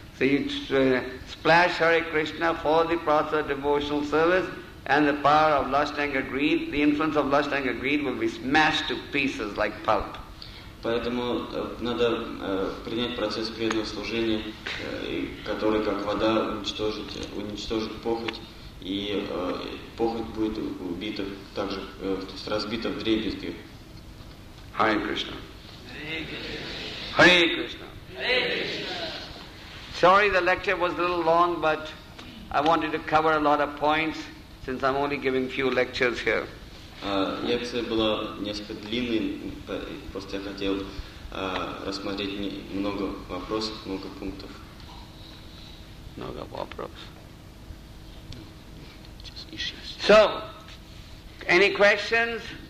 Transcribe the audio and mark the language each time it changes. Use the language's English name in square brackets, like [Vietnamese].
[English] So you splash Hare Krishna for the process of devotional service, and the power of lust, anger, greed, the influence of lust, anger, greed will be smashed to pieces like pulp. [Russian] Поэтому надо принять процесс преданного служения, который, как вода, уничтожит похоть, и похоть будет убита также, то есть разбита в дребезги. [English] Hare Krishna. Hare Krishna. Hare Krishna. Hare Krishna. Sorry, the lecture was a little long, but I wanted to cover a lot of points since I'm only giving few lectures here. [Russian] Лекция была несколько длинной, просто я хотел рассмотреть много вопросов, много пунктов. Много вопросов. [English] So, any questions?